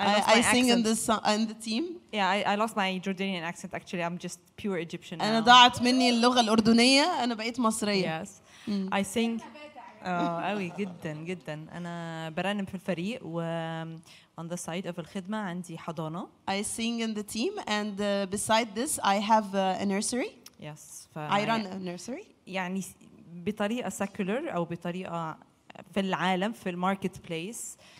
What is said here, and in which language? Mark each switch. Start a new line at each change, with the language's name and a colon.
English: I sing in the team. Yeah, I lost my Jordanian accent. Actually, I'm just pure Egyptian.
Arabic: أنا ضاعت مني اللغة الأردنية، أنا بقيت مصرية.
English: Yes. I sing.
Arabic: قوي جدا. أنا برنم في الفريق و
English: on the side of
Arabic: الخدمة عندي حضانة.
English: I sing in the team and beside this I have a nursery. Yes. I run a nursery.
Arabic: يعني بطريقة secular أو بطريقة في العالم في الماركت بليس.